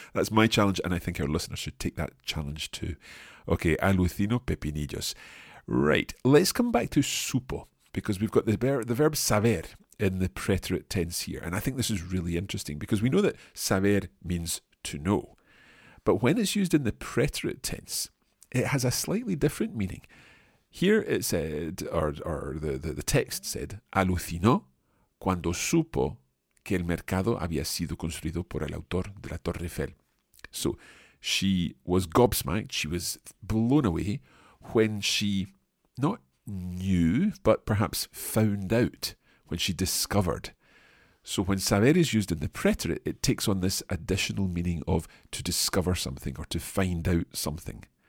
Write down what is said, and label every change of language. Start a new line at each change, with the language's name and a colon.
English: That's my challenge and I think our listeners should take that challenge too. Okay,
Spanish: alucino pepinillos.
English: Right, let's come back to supo because we've got the verb saber in the preterite tense here. And I think this is really interesting because we know that saber means to know. But when it's used in the preterite tense, it has a slightly different meaning. Here it said, or the text said,
Spanish: alucinó cuando supo que el mercado había sido construido por el autor de la Torre Eiffel.
English: So she was gobsmacked, she was blown away when she not knew, but perhaps found out, when she discovered. So when saber is used in the preterite, it takes on this additional meaning of to discover something or to find out something.